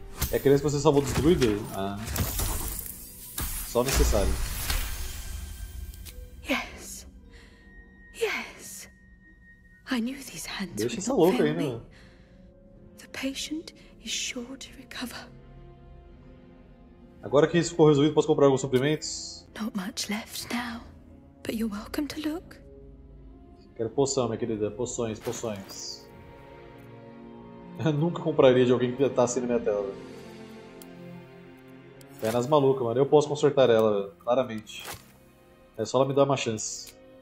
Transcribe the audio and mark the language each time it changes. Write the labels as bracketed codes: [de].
[pt] É aquele que você salvou dos druidas? Ah. Só necessário. [en] Yes. Yes. I knew these hands. [pt] Deixa essa louca aí, né? [en] The patient is sure to recover. [pt] Agora que isso ficou resolvido, posso comprar alguns suprimentos? [en] Not much left now, but you're welcome to look. [pt] Quero poção, minha querida. Poções, poções. Eu nunca compraria de alguém que tá assim na minha tela. Pernas malucas, mano. Eu posso consertar ela, claramente. É só ela me dar uma chance.